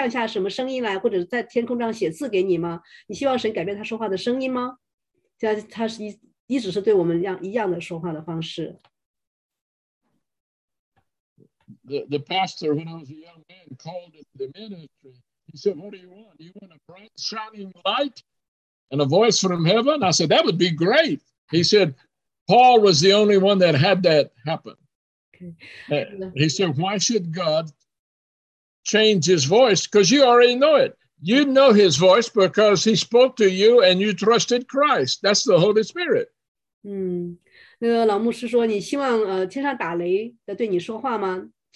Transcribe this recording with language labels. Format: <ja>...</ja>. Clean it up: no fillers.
<zh>老牧者说，你希望神是从天上降下什么声音来，或者在天空上写字给你吗？你希望神改变他说话的声音吗？他一直是对我们一样的说话的方式。</zh> <en>The pastor, when I was a young man, called into the ministry. He said, what do you want? Do you want a bright, shining light and a voice from heaven? I said, that would be great. He said, Paul was the only one that had that happen. Okay. He said, why should God change his voice? Because you already know it. You know his voice because he spoke to you and you trusted Christ. That's the Holy Spirit.</en> <zh>那个老牧师说，你希望天上打雷的对你说话吗？</zh>